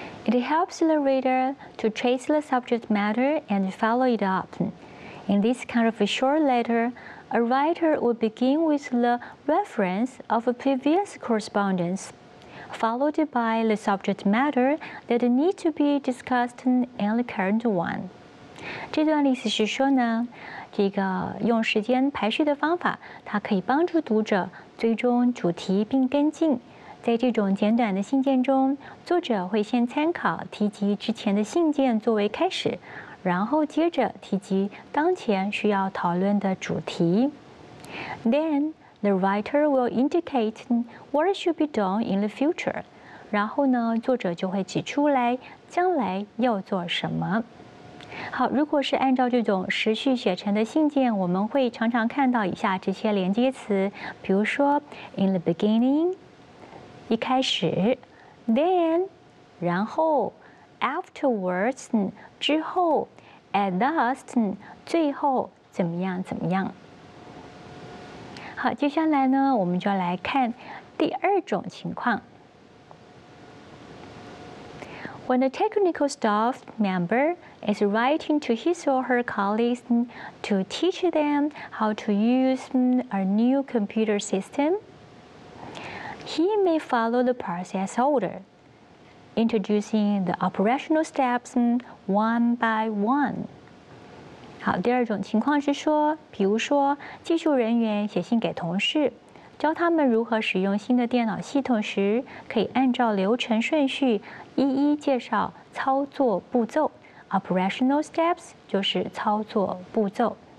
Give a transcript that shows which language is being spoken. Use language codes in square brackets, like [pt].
[en] It helps the reader to trace the subject matter and follow it up. In this kind of a short letter, a writer would begin with the reference of a previous correspondence, followed by the subject matter that needs to be discussed and the current one. [zh] 这段意思是说呢，这个用时间排序的方法，它可以帮助读者追踪主题并跟进。在这种简短的信件中，作者会先参考提及之前的信件作为开始，然后接着提及当前需要讨论的主题。 [en] Then the writer will indicate what should be done in the future. [zh] 然后呢，作者就会指出来将来要做什么。好，如果是按照这种时序写成的信件，我们会常常看到以下这些连接词，比如说 [en] in the beginning， [zh] 一开始 ， [en] then， [zh] 然后 ， [en] afterwards， [zh] 之后 ， [en] at last， [zh] 最后怎么样怎么样。好，接下来呢，我们就来看第二种情况。 [en] When a technical staff member is writing to his or her colleagues to teach them how to use a new computer system, he may follow the process order, introducing the operational steps one by one. [zh] 好，第二种情况是说，比如说技术人员写信给同事，教他们如何使用新的电脑系统时，可以按照流程顺序一一介绍操作步骤。 Operational steps 就是操作步骤。